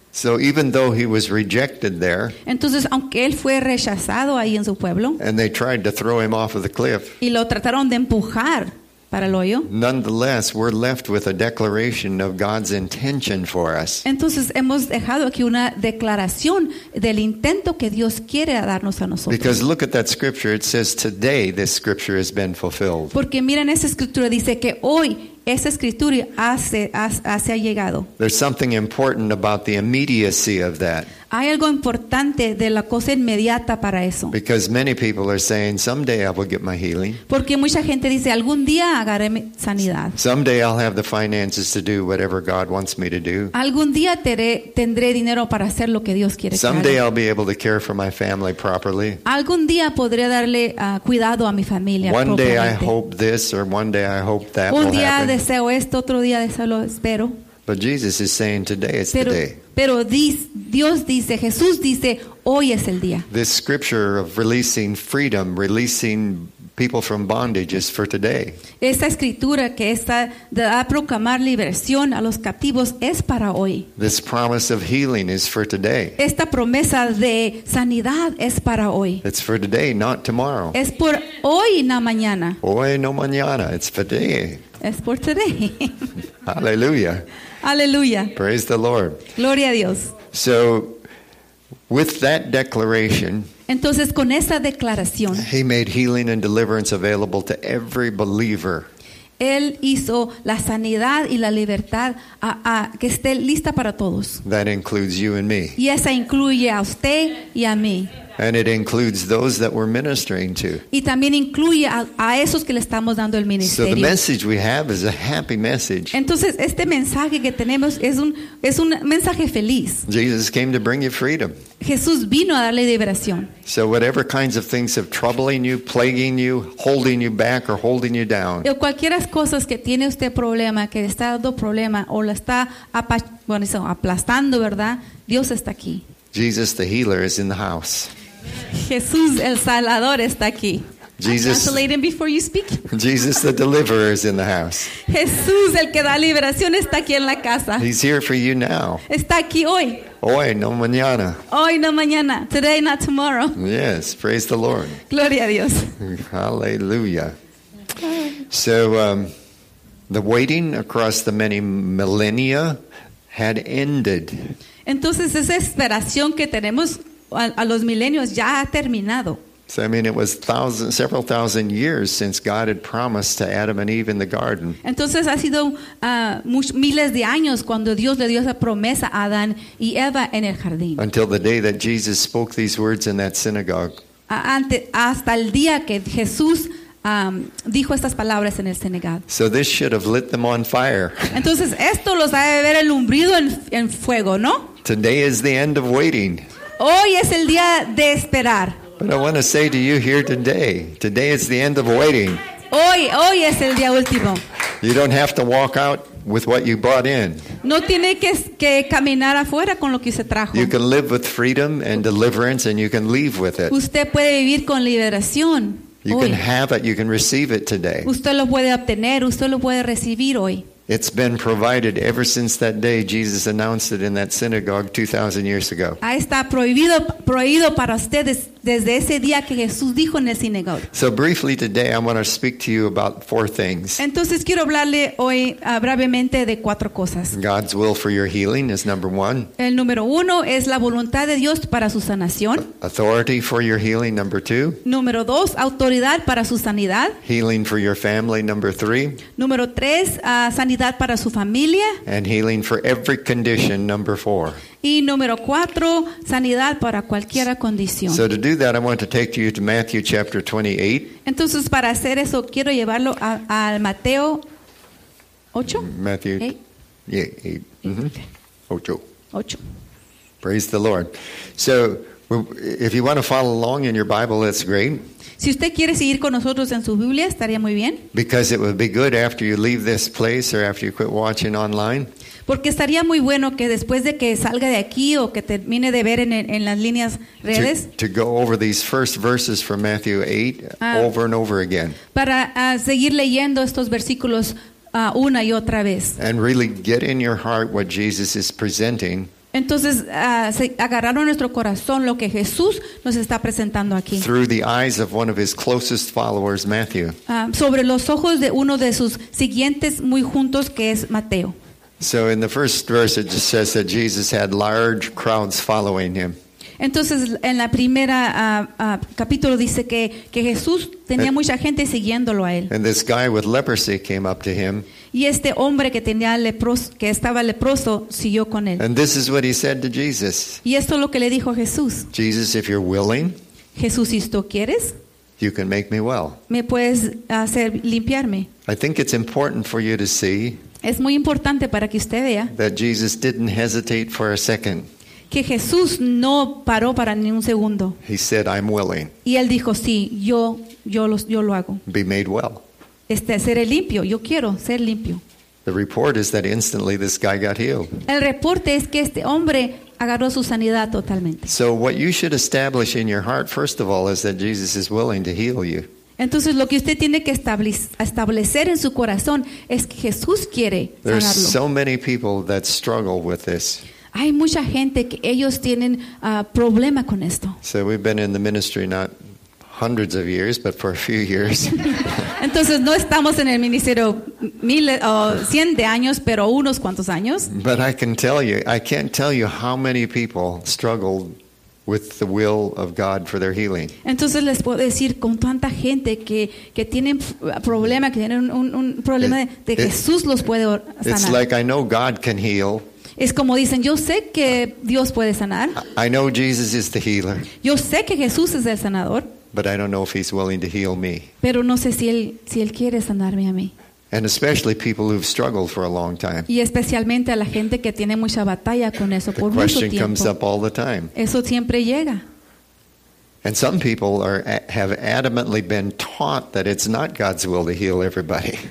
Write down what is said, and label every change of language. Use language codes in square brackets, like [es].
[en] So even though he was rejected there. [es] Entonces aunque él fue rechazado ahí en su pueblo. [en] And they tried to throw him off of the cliff. [es] Y lo trataron de empujar para el hoyo. [en] Nonetheless, we're left with a declaration of God's intention for us. [es] Entonces hemos dejado aquí una declaración del intento que Dios quiere darnos a nosotros. [en] Because look at that scripture, it says today this scripture has been fulfilled. [es] Porque miren esa escritura dice que hoy esa escritura hace ha llegado. [en] There's something important about the immediacy of that. [es] Hay algo importante de la cosa inmediata para eso. [en] Because many people are saying, someday I will get my healing. [es] Porque mucha gente dice, algún día agarré mi sanidad. [en] Someday I'll have the finances to do whatever God wants me to do. [es] Algún día tendré dinero para hacer lo que Dios quiere. [en] Someday I'll be able to care for my family properly. [es] Algún día podré darle cuidado a mi familia. [en] One day I hope this, or one day I hope that will happen. [es] Un día deseo esto, otro día deseo lo espero. [en] But Jesus is saying today is the day. [es] Pero Dios dice, Jesús dice, hoy es el día. [en] This scripture of releasing freedom, releasing people from bondage is for today. [es] Esta escritura que está de a proclamar liberación a los cautivos es para hoy. [en] This promise of healing is for today. [es] Esta promesa de sanidad es para hoy. [en] It's for today, not tomorrow. [es] Es por hoy, no mañana. Hoy no mañana, [en] it's for today. [es] Es por today. [en] Hallelujah. [es] Aleluya. [en] Praise the Lord. [es] Gloria a Dios. [en] So, with that declaration, [es] entonces con esa declaración, [en] he made healing and deliverance available to every believer. [es] Él hizo la sanidad y la libertad a que esté lista para todos. [en] That includes you and me. [es] Y esa incluye a usted y a mí. [en] And it includes those that we're ministering to. [es] Y también incluye a esos que le estamos dando el ministerio. [en] So the message we have is a happy message. [es] Entonces este mensaje que tenemos es un mensaje feliz. [en] Jesus came to bring you freedom. [es] Jesús vino a darle liberación. [en] So whatever kinds of things are troubling you, plaguing you, holding you back, or holding you down. [es] O cualquiera cosas que tiene usted problema, que está dando problema, o la está aplastando, ¿verdad? Dios está aquí. [en] Jesus the healer is in the house. [es] Jesús el salvador está aquí. [en] Jesus, translating before you speak. Jesus the deliverer is in the house. [es] Jesús el que da liberación está aquí en la casa. [en] He's here for you now. [es] Está aquí hoy. Hoy no mañana. Hoy no mañana. [en] Today not tomorrow. Yes, praise the Lord. [es] Gloria a Dios. [en] Hallelujah. So the waiting across the many millennia had ended. [es] Entonces esa esperación que tenemos a los milenios ya ha terminado. [en] So, I mean, it was several thousand years since God had promised to Adam and Eve in the garden. [es] Entonces ha sido miles de años cuando Dios le dio esa promesa a Adán y Eva en el jardín. [en] Until the day that Jesus spoke these words in that synagogue. [es] Hasta el día que Jesús dijo estas palabras en el Senegal. [en] So this should have lit them on fire. [es] Entonces esto los ha de haber alumbrado en fuego, ¿no? [en] Today is the end of waiting. [es] Hoy es el día de esperar. [en] But I want to say to you here today, today is the end of waiting. [es] Hoy es el día último. [en] You don't have to walk out with what you brought in. [es] No tiene que caminar afuera con lo que usted trajo. [en] You can live with freedom and deliverance, and you can leave with it. [es] Usted puede vivir con liberación. [en] You can have it, you can receive it today. [es] Usted lo puede obtener, usted lo puede recibir hoy. [en] It's been provided ever since that day Jesus announced it in that synagogue 2,000 years ago. [es] Ahí está prohibido para ustedes desde ese día que Jesús dijo en el sinagoga. [en] So briefly today I want to speak to you about four things. [es] Entonces quiero hablarle hoy brevemente de cuatro cosas. [en] God's will for your healing is number one. [es] El número uno es la voluntad de Dios para su sanación. [en] Authority for your healing, number two. [es] Número dos, autoridad para su sanidad. [en] Healing for your family, number three. [es] Número tres, sanidad para su familia. [en] And healing for every condition, number four. [es] Y número cuatro, sanidad para cualquier condición. [en] So to do that, I want to take you to Matthew chapter 28. [es] Entonces, para hacer eso, quiero llevarlo al Mateo 8. [en] Matthew 8. Mm-hmm. 8. Praise the Lord. So, if you want to follow along in your Bible, that's great. [es] Si usted quiere seguir con nosotros en su Biblia, estaría muy bien. [en] Because it would be good after you leave this place or after you quit watching online. [es] Porque estaría muy bueno que después de que salga de aquí o que termine de ver en las líneas redes. [en] To go over these first verses from Matthew 8 over and over again. [es] Para seguir leyendo estos versículos una y otra vez. [en] And really get in your heart what Jesus is presenting. [es] Entonces, agarraron nuestro corazón lo que Jesús nos está presentando aquí. [en] Through the eyes of one of his closest followers, Matthew. [es] Sobre los ojos de uno de sus siguientes muy juntos, que es Mateo. [en] So in the first verse it just says that Jesus had large crowds following him. [es] Entonces en la primera capítulo dice que Jesús tenía mucha gente siguiéndolo a él. [en] And this guy with leprosy came up to him. [es] Y este hombre que tenía que estaba leproso siguió con él. [en] And this is what he said to Jesus. [es] Y esto es lo que le dijo Jesús. [en] Jesus, if you're willing. [es] Jesús, si tú quieres. [en] You can make me well. [es] Me puedes hacer limpiarme. [en] I think it's important for you to see. [es] Es muy importante para que usted vea. [en] That Jesus didn't hesitate for a second. [es] Que Jesús no paró para ni un segundo. [en] He said, I'm willing. [es] Y él dijo, sí, yo lo hago. [en] Be made well. [es] Seré limpio, yo quiero ser limpio. [en] The report is that instantly this guy got healed. [es] El reporte es que este hombre agarró su sanidad totalmente. [en] So what you should establish in your heart, first of all, is that Jesus is willing to heal you. [es] Entonces lo que usted tiene que establecer en su corazón es que Jesús quiere sanarlo. [en] There are so many people that struggle with this. [es] Hay mucha gente que ellos tienen problema con esto. [en] So we've been in the ministry not hundreds of years, but for a few years. [es] Entonces no estamos en el ministerio miles o cien de años, pero unos cuantos años. [en] But I can tell you, I can't tell you how many people struggled with the will of God for their healing. [es] Entonces les puedo decir con tanta gente que tienen problema, que tienen un problema de Jesús los puede sanar. [en] It's like I know God can heal. [es] Es como dicen, yo sé que Dios puede sanar. [en] I know Jesus is the healer. [es] Yo sé que Jesús es el sanador. [en] But I don't know if he's willing to heal me. [es] Pero no sé si él quiere sanarme a mí. [en] And especially people who've struggled for a long time. [es] Y especialmente a la gente que tiene mucha batalla con eso por mucho tiempo. [en] The question comes up all the time. [es] Eso siempre llega. [en] And some people have adamantly been taught that it's not God's will to heal everybody.